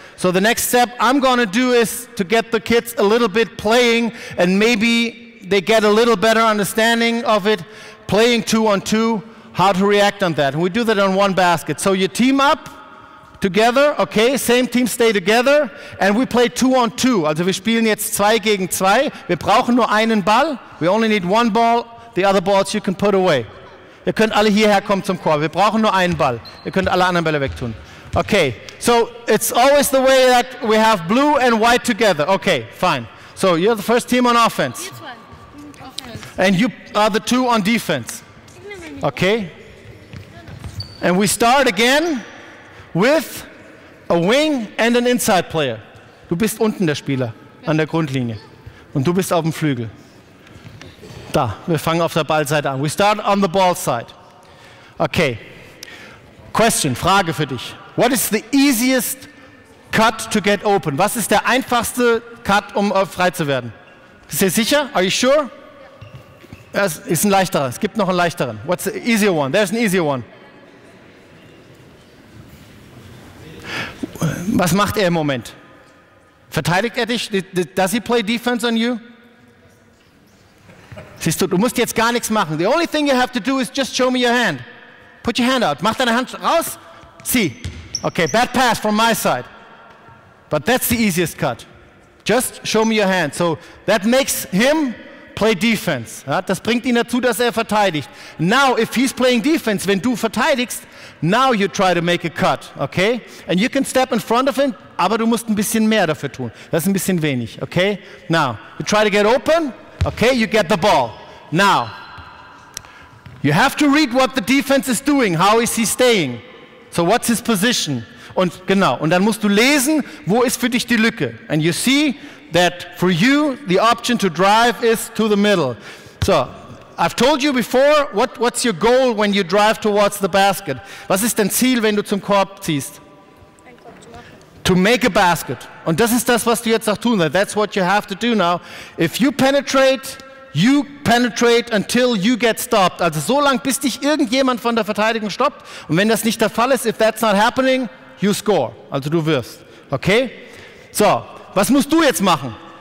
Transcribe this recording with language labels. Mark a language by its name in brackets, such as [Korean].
[English] So the next step I'm going to do is to get the kids a little bit playing, and maybe they get a little better understanding of it, playing 2-on-2, how to react on that. And we do that on one basket. So you team up together, okay, same team stay together, and we play 2-on-2. [German] Also wir spielen jetzt 2 gegen 2. Wir brauchen nur einen Ball. [English] We only need one ball. The other balls you can put away. [German] Ihr könnt alle hierher kommen zum Chor. Wir brauchen nur einen Ball. Ihr könnt alle anderen Bälle wegtun. [English] Okay, so it's always the way that we have blue and white together. Okay, fine. So you're the first team on offense. And you are the two on defense. Okay. And we start again with a wing and an inside player. [German] Du bist unten der Spieler an der Grundlinie. Und du bist auf dem Flügel. Da, wir fangen auf der Ballseite an. [English] We start on the ball side. Okay. [German] Question, Frage für dich. [English] What is the easiest cut to get open? [German] Was ist der einfachste Cut, um frei zu werden? Bist du sicher? [English] Are you sure? [German] Es ist ein leichterer. Es gibt noch einen leichteren. [English] What's the easier one? There's an easier one. [German] Was macht er im Moment? Verteidigt er dich? [English] Does he play defense on you? [German] Siehst du, du musst jetzt gar nichts machen. [English] The only thing you have to do is just show me your hand. Put your hand out. [German] Mach deine Hand raus. Zieh. [English] Okay, bad pass from my side. But that's the easiest cut. Just show me your hand. So that makes him play defense. [German] Ja, das bringt ihn dazu, dass er verteidigt. [English] Now, if he's playing defense, [German] wenn du verteidigst, [English] now you try to make a cut, okay? And you can step in front of him, [German] aber du musst ein bisschen mehr dafür tun. Das ist ein bisschen wenig, okay? [English] Now, you try to get open, okay, you get the ball. Now, you have to read what the defense is doing. How is he staying? So what's his position? [German] Und genau, und dann musst du lesen, wo ist für dich die Lücke? [English] And you see that for you, the option to drive is to the middle. So, I've told you before, what's your goal when you drive towards the basket? [German] Was ist dein Ziel, wenn du zum Korb ziehst? Ein Korb zu machen. [English] To make a basket. [German] Und das ist das, was du jetzt auch tun sollst. [English] That's what you have to do now. If you penetrate until you get stopped. [German] Also so lang, bis dich irgendjemand von der Verteidigung stoppt. Und wenn das nicht der Fall ist, [English] if that's not happening, you score. [German] Also du wirst. Okay? So, was musst du jetzt machen?